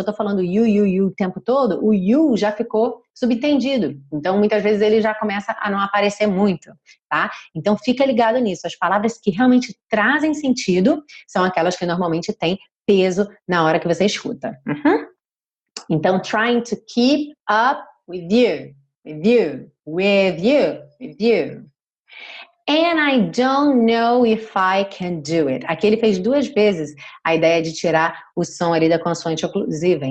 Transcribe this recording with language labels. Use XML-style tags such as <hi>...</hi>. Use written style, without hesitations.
<pt>Se eu tô falando you o tempo todo, o you já ficou subentendido. Então, muitas vezes ele já começa a não aparecer muito, tá? Então, fica ligado nisso. As palavras que realmente trazem sentido são aquelas que normalmente têm peso na hora que você escuta. Uhum.</pt> <en>Então, trying to keep up with you, with you, with you, with you. And I don't know if I can do it.</en> <pt>Aqui ele fez duas vezes a ideia de tirar o som ali da consoante oclusiva.</pt>